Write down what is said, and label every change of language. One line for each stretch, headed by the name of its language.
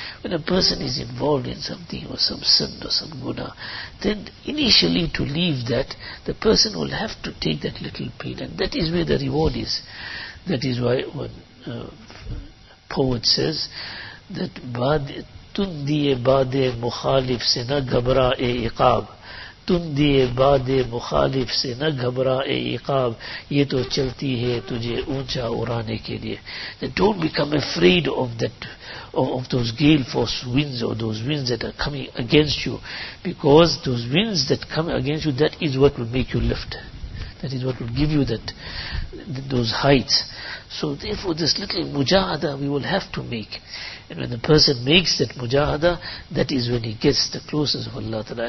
English: When a person is involved in something or some sin or some guna, then initially to leave that, the person will have to take that little pain. And that is where the reward is. That is why when poet says that
Urdu: tundiye bade mukhalif se na ghabra e iqab. تُن دیئے بادِ مخالف سے نہ گھبرا اے عقاب یہ تو چلتی ہے تجھے اونچا اُرانے کے لئے.
English: Don't become afraid of that, of those gale force winds or those winds that are coming against you, because those winds that come against you, that is what will make you lift, that is what will give you that those heights. So therefore this little mujahada we will have to make. And when the person makes that mujahada, that is when he gets the closest of Allah Ta'ala.